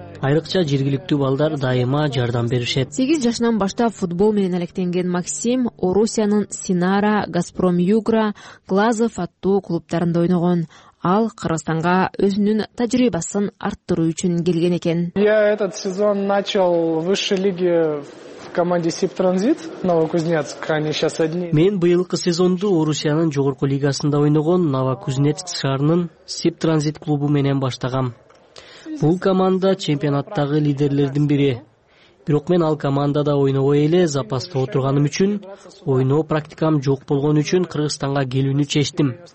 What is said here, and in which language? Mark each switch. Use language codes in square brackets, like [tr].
[ky] Айрыкча жергиликтүү балдар дайыма жардам беришет. 8 жашынан баштап футбол менен алектенген Максим Орусиянын Синара, Газпром Югра, Глазов аттуу клубтарында ойногон. Ал Кыргызстанга өзүнүн тажрыйбасын арттыруу үчүн келген экен. [ru] Я этот сезон начал высшей лиги в команде Сибтранзит, Новокузнецк, они сейчас одни. [ky] Мен быйылкы сезонду Орусиянын жогорку лигасында ойногон Новокузнецк шаарынын Сибтранзит клубу менен баштагам. Бул команда чемпионаттагы лидерлердин бири. Бирок мен ал командада ойногой эле запаста отурганым үчүн, ойноо практикам жок болгон үчүн Кыргызстанга келүүнү чечтим.